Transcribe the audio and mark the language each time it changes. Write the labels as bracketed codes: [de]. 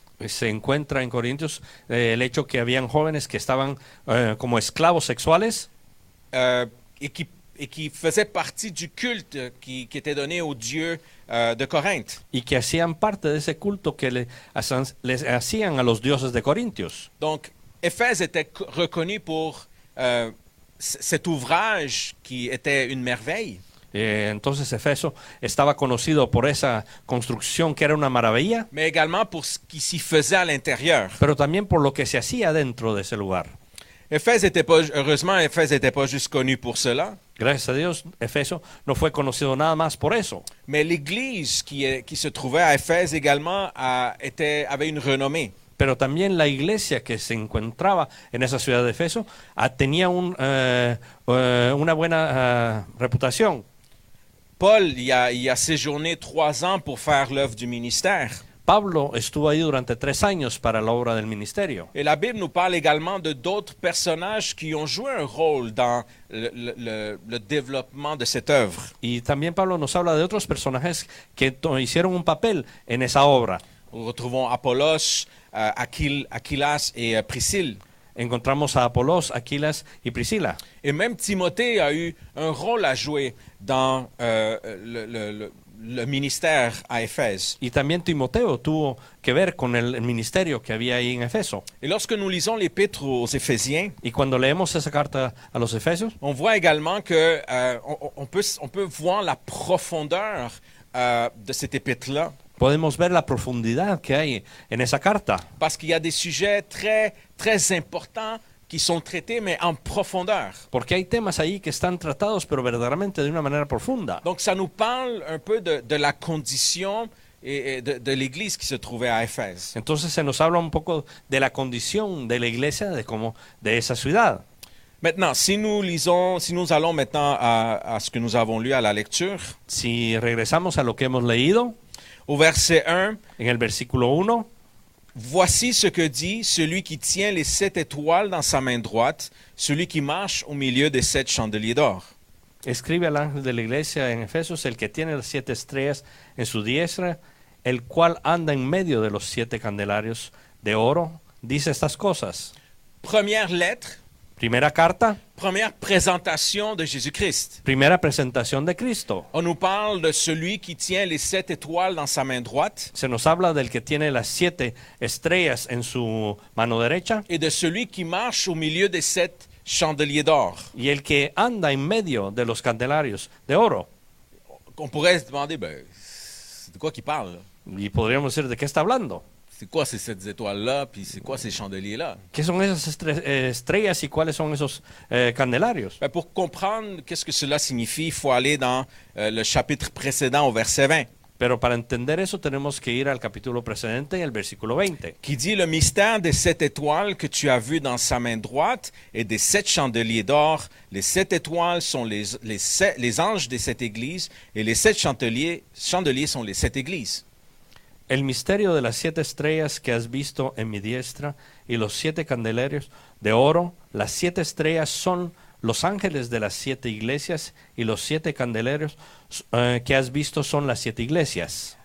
[es] Se encuentra en Corintios el hecho que habían jóvenes que estaban como esclavos sexuales. [fr] et qui faisaient partie du culte qui était donné aux dieux de Corinthe. [es] Y que hacían parte de ese culto que les hacían a los dioses de Corintios. [fr] Donc Éphèse était reconnu pour cet ouvrage qui était une merveille. [es] Entonces Éfeso estaba conocido por esa construcción que era una maravilla. [fr] Mais également pour ce qui s'y faisait à l'intérieur. [es] Pero también por lo que se hacía dentro de ese lugar. [fr] Éphèse n'était pas juste connu pour cela. [es] Gracias a Dios, Éfeso no fue conocido nada más por eso. [fr] Mais l'église qui se trouvait à Éphèse également avait une renommée. [es] Pero también la iglesia que se encontraba en esa ciudad de Éfeso tenía una buena reputación. [fr] Paul y a séjourné 3 ans pour faire l'œuvre du ministère. [es] Pablo estuvo ahí durante 3 años para la obra del ministerio. [fr] Et la Bible nous parle également de d'autres personnages qui ont joué un rôle dans le développement de cette œuvre. [es] Y también Pablo nos habla de otros personajes que hicieron un papel en esa obra. [fr] Retrouvons Apollos, Aquilas et Priscille. [es] Encontramos a Apollos, Aquilas y Priscila. [fr] Et même Timothée a eu un rôle à jouer dans le ministère à Éphèse. [es] Y también Timoteo tuvo que ver con el ministerio que había ahí en Éfeso. [fr] Et lorsque nous lisons l'épître aux Éphésiens, [es] y cuando leemos esa carta a los Efesios, [fr] on voit également que on peut voir la profondeur de cette épître-là. [es] Podemos ver la profundidad que hay en esa carta. [fr] Parce qu'il y a des sujets très très importants qui sont traités mais en profondeur. [es] Porque hay temas ahí que están tratados pero verdaderamente de una manera profunda. [fr] Donc ça nous parle un peu de la condition et de l'église qui se trouvait à Éphèse. [es] Entonces se nos habla un poco de la condición de la iglesia de esa ciudad. [fr] Maintenant, si nous allons maintenant à ce que nous avons lu à la lecture, [es] si regresamos a lo que hemos leído, [fr] au verset 1, [es] en el versículo 1, [fr] voici ce que dit celui qui tient les 7 étoiles dans sa main droite, celui qui marche au milieu des 7 chandeliers d'or. [es] Escribe al ángel de la iglesia en Efesios, el que tiene las 7 estrellas en su diestra, el cual anda en medio de los 7 candelarios de oro, dice estas cosas. [fr] Première lettre. [es] Primera carta. [fr] Première présentation de Jésus-Christ. [es] Primera presentación de Cristo. [fr] On nous parle de celui qui tient les 7 étoiles dans sa main droite. [es] Se nos habla del que tiene las 7 estrellas en su mano derecha. [fr] Et de celui qui marche au milieu des 7 chandeliers d'or. [es] Y el que anda en medio de los candelarios de oro. [fr] On pourrait se demander, de quoi qu'il parle. [es] Y podríamos decir, ¿de qué está hablando? [fr] C'est quoi ces 7 étoiles-là, puis c'est quoi ces chandeliers-là? Quelles sont [es] esas estrellas y cuáles son esos candelarios? [fr] Ben pour comprendre qu'est-ce que cela signifie, il faut aller dans le chapitre précédent au verset 20. [es] Pero para entender eso tenemos que ir al capítulo precedente, en el versículo 20. [fr] Qui dit le mystère des 7 étoiles que tu as vues dans sa main droite et des 7 chandeliers d'or. Les 7 étoiles sont les anges des 7 églises et les 7 chandeliers sont les 7 églises. [es] El misterio de las 7 estrellas que has visto en mi diestra y los 7 candelarios de oro, las 7 estrellas son los ángeles de las 7 iglesias y los 7 candelarios que has visto son las 7 iglesias.